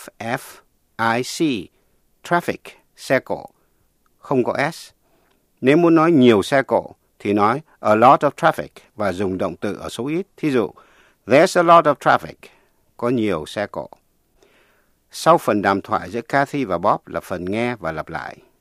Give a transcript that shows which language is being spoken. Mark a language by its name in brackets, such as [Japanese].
[Vietnamese] T-R-A-F-F-I-C. Traffic, xe cộ. Không có S. Nếu muốn nói nhiều xe cộ, thì nói [English] a lot of traffic [Vietnamese] và dùng động từ ở số ít. Thí dụ, [English] there's a lot of traffic. [Vietnamese] Có nhiều xe cộ. Sau phần đàm thoại giữa Kathy và Bob là phần nghe và lặp lại.